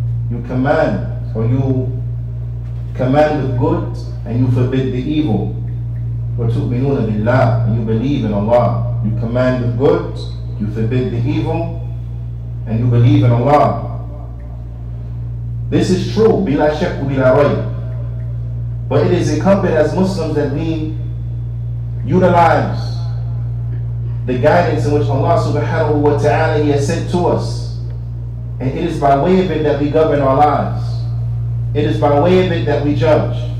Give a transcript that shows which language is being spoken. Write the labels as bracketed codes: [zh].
[en] You command, or you command the good and you forbid the evil. [ar] وَتُؤْمِنُونَ بِاللَّهِ, [en] and you believe in Allah. You command the good, you forbid the evil, and you believe in Allah. This is true, [ar] بِلَا شَكُ بِلَا رَيْبٍ. [en] But it is incumbent as Muslims that we utilize the guidance in which Allah subhanahu wa ta'ala He has sent to us. And it is by way of it that we govern our lives. It is by way of it that we judge.